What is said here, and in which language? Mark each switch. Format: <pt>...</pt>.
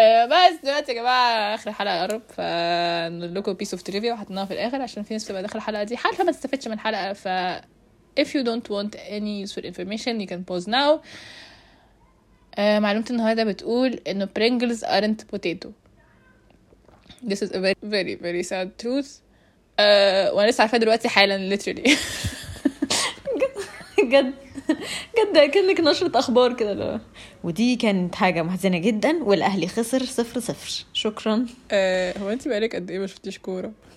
<ar>بس دلوقتي يا جماعه اخر حلقه قرب, فنقول لكم</ar> <en>piece of trivia</en> <ar>وحطناها في الاخر عشان في ناس تبقى داخل الحلقه دي حالها ما تستفدش من الحلقه.</ar> <en>ف if you don't want any useful information you can pause now.</en> <ar>معلومه النهارده بتقول انه</ar> <en>Pringles aren't potato. This is a very very very sad truth.</en> <ar>وانا لسه عارفه دلوقتي حالا literally. جد جد كأنك نشرة اخبار كده. لو ودي كانت حاجه محزنه جدا والاهلي خسر 0-0. شكرا. هو انت بقالك قد ايه ما شفتيش كوره؟</ar>